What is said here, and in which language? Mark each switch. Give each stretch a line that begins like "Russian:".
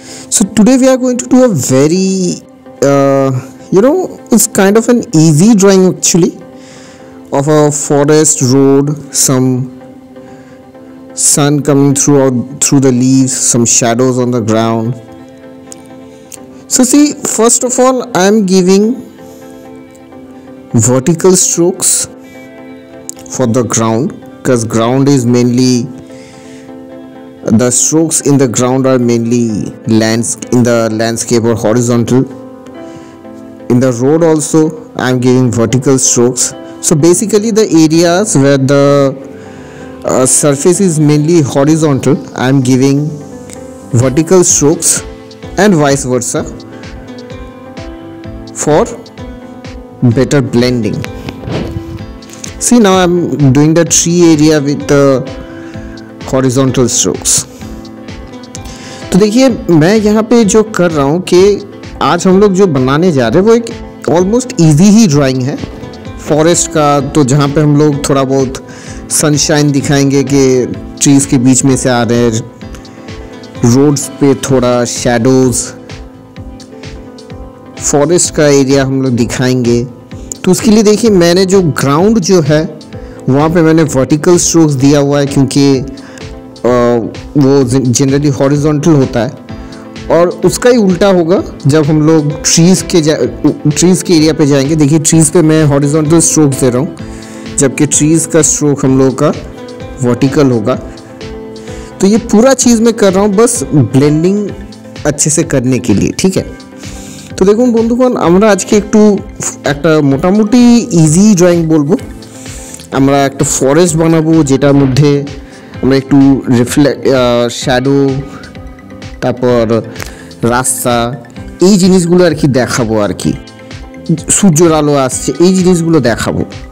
English: So today we are going to do a very you know it's kind of an easy drawing actually of a forest road, some sun coming through out through the leaves, some shadows on the ground. So see, first of all I am giving vertical strokes for the ground, because ground is mainly the strokes in the ground are mainly in the landscape or horizontal. In the road also I am giving vertical strokes. So basically the areas where the surface is mainly horizontal, I am giving vertical strokes, and vice versa for better blending. See, now I'm doing the tree area with the horizontal strokes.
Hindi: तो देखिए, मैं यहाँ पे जो कर रहा हूँ कि आज हम लोग जो बनाने जा रहे हैं वो एक ऑलमोस्ट ईजी ही ड्राइंग है फॉरेस्ट का। तो जहाँ पे हम लोग थोड़ा बहुत सनशाइन दिखाएंगे कि ट्रीज के बीच में से आ रहे हैं, रोड्स पे थोड़ा शेडोज, फॉरेस्ट का एरिया हम लोग दिखाएंगे। तो उसके लिए देखिए, मैंने जो ग्राउंड जो है वहाँ पे मैंने वर्टिकल स्ट्रोक्स दिया हुआ है, क्योंकि वो जनरली हॉरिजॉन्टल होता है, और उसका ही उल्टा होगा जब हम लोग ट्रीज़ के एरिया पे जाएंगे। देखिए, ट्रीज़ पे मैं हॉरिजॉन्टल स्ट्रोक दे रहा हूँ, जबकि ट्रीज़ का स्ट्रोक हम लोग का वर्टिकल होगा। तो ये पूरा चीज़ मैं कर रहा हूँ बस ब्लेंडिंग अच्छे से करने के लिए, ठीक है।
Bangla: तो দেখুন বন্ধুগণ, আমরা আজকে একটা মোটামুটি ইজি ড্রয়িং বলবো। আমরা একটা ফরেস্ট বানাবো যেটার মধ্যে আমরা একটু শ্যাডো, তারপর রাস্তা, এই জিনিসগুলো আর কি দেখাবো, আর কি সূর্যের আলো আসছে এই জিনিসগুলো দেখাবো।